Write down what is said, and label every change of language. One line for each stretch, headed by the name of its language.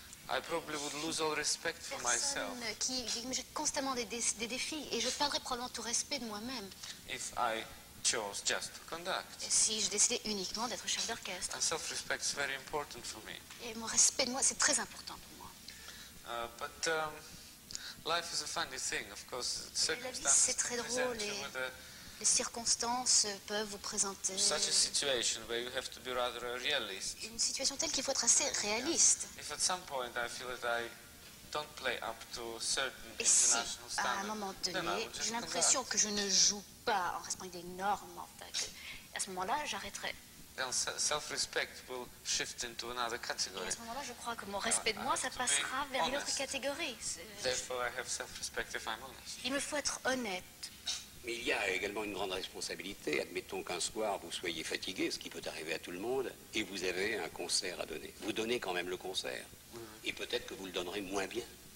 English: I probably would lose all respect for myself.
French: J'ai constamment des défis et je perdrais probablement tout respect de moi-même.
English: If I chose just to conduct.
French: Et si je décidais uniquement d'être chef d'orchestre.
English: And self-respect is very important for me.
French: Et mon respect de moi, c'est très important pour moi.
English: Life is a funny thing, of course.
French: La vie, c'est très drôle. Les circonstances peuvent vous présenter
English: such a situation where you have to be rather a realist.
French: Une situation telle qu'il faut être assez réaliste.
English: If at some point I feel that I don't play up to certain
French: Et
English: international
French: si,
English: standards,
French: à un moment donné, j'ai l'impression que je ne joue pas en respectant des normes, en fait, à ce moment-là, j'arrêterai.
English: Then self-respect will shift into another category.
French: Et à ce moment-là, je crois que mon respect de moi, ça passera vers une autre catégorie.
English: Therefore, I have self-respect if I'm honest.
French: Il me faut être honnête. Mais il y a également une grande responsabilité. Admettons qu'un soir, vous soyez fatigué, ce qui peut arriver à tout le monde, et vous avez un concert à donner. Vous donnez quand même le concert. Et peut-être que vous le donnerez moins bien.